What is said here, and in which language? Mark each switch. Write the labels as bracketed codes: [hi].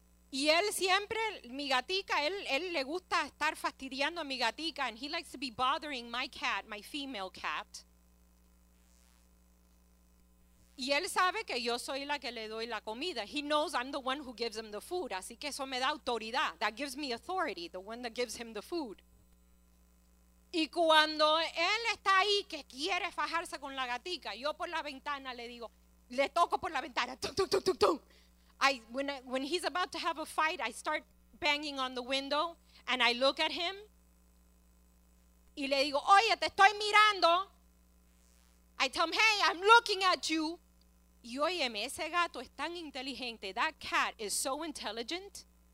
[es] Y él siempre, mi gatica, él le gusta estar fastidiando a mi gatica. [en] And he likes to be bothering my cat, my female cat. [es] Y él sabe que yo soy la que le doy la comida. [en] He knows I'm the one who gives him the food. [es] Así que eso me da autoridad. [en] That gives me authority, the one that gives him the food. [es] Y cuando él está ahí que quiere fajarse con la gatica, yo por la ventana le digo, le toco por la ventana. Tum, tum, tum, tum, tum. [en] When he's about to have a fight, I start banging on the window and I look at him. [es] Y le digo, oye, te estoy mirando. [en] I tell him, hey, I'm looking at you. [es] Y óyeme, ese gato es tan inteligente. [en] That cat is so intelligent.